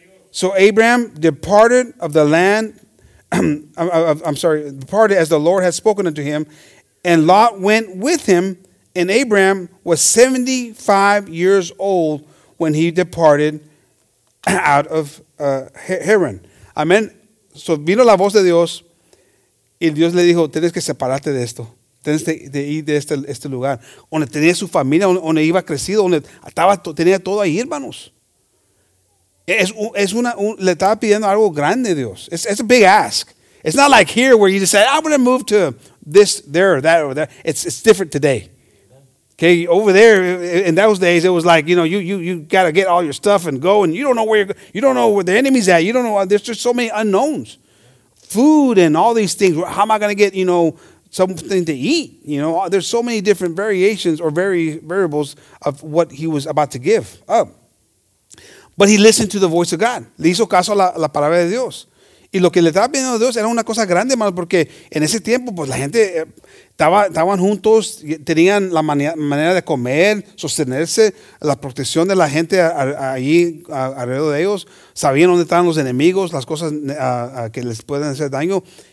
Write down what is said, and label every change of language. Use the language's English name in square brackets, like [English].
[English] So Abraham departed of the land, departed as the Lord had spoken unto him, and Lot went with him, and Abraham was 75 years old when he departed out of Haran. Amen. [Spanish] So vino la voz de Dios, y Dios le dijo, tienes que separarte de esto. Tienes que ir de este lugar. Donde tenía su familia, donde iba crecido, donde estaba, tenía todo ahí, hermanos. Le estaba pidiendo algo grande a Dios. [English] It's a big ask. It's not like here where you just say, I'm going to move to this, there, or that, or that. It's different today. Okay, over there in those days, it was like, you know, you got to get all your stuff and go, and you don't know where you're going. You don't know where the enemy's at. You don't know. There's just so many unknowns. Food and all these things. How am I going to get, you know, something to eat? You know, there's so many different variations or variables of what he was about to give up. But he listened to the voice of God. [Spanish] Le hizo caso a la palabra de Dios. Y lo que le estaba pidiendo a Dios era una cosa grande, hermano, porque en ese tiempo, pues la gente estaban juntos, tenían la manera de comer, sostenerse, la protección de la gente ahí alrededor de ellos, sabían dónde estaban los enemigos, las cosas que les pueden hacer daño.